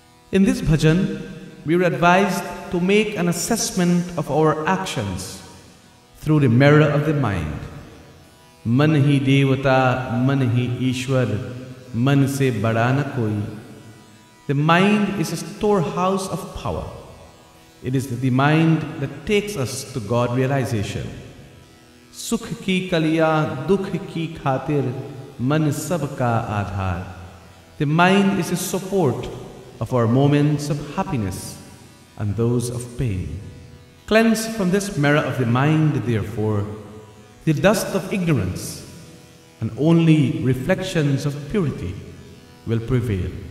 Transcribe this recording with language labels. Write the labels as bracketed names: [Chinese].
[English] In this bhajan, we are advised to make an assessment of our actions through the mirror of the mind. [Hindi] Man hi devata, man hi ishwar, man se bada na koi. [English] The mind is a storehouse of power. It is the mind that takes us to God realization. [Hindi] सुख की कलिया दुख की खातिर मन सब का आधार। [English] The mind is a support of our moments of happiness and those of pain. Cleanse from this mirror of the mind, therefore, the dust of ignorance, and only reflections of purity will prevail.